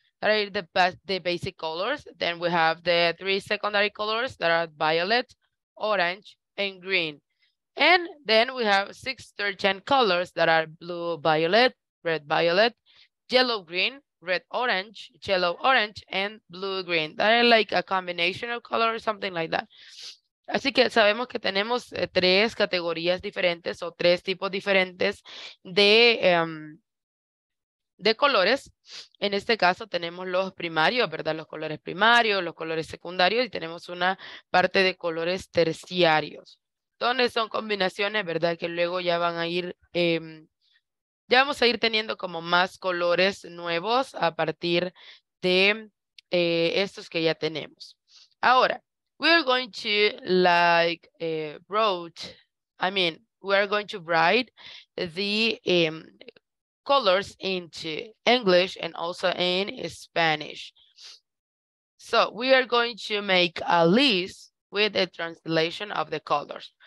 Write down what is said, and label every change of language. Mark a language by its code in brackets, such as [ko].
[en] That are the basic colors. Then we have the three secondary colors that are violet, orange, and green. And then we have 6 to 10 colors that are blue, violet, yellow, green, red, orange, yellow, orange, and blue, green. That are like a combination of colors, something like that. [es] Así que sabemos que tenemos tres categorías diferentes o tres tipos diferentes de colores. En este caso tenemos los primarios, ¿verdad? Los colores primarios, los colores secundarios, y tenemos una parte de colores terciarios, donde son combinaciones, ¿verdad? Que luego ya van a ir, ya vamos a ir teniendo como más colores nuevos a partir de estos que ya tenemos. [en] Ahora, we are going to like write the colors into English and also in Spanish. So we are going to make a list with a translation of the colors.